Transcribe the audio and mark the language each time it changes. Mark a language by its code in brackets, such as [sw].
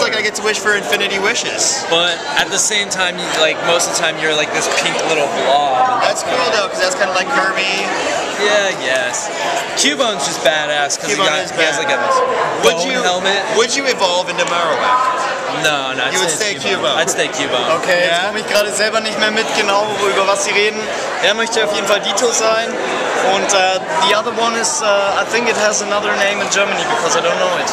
[en] It's like I get to wish for infinity wishes. But at the same time, most of the time, you're like this pink little blob. That's cool, though, because that's kind of like Kirby. Yeah, yes. Cubone's just badass, because he has like a helmet. Would you evolve into Marowak? No, you would stay Cubone. I'd stay Cubone. [de] Okay, jetzt komme ich gerade selber nicht mehr mit, genau über was sie reden. Er möchte auf jeden Fall Ditto sein. Und [en] the other one is, I think it has another name in Germany, because I don't know it.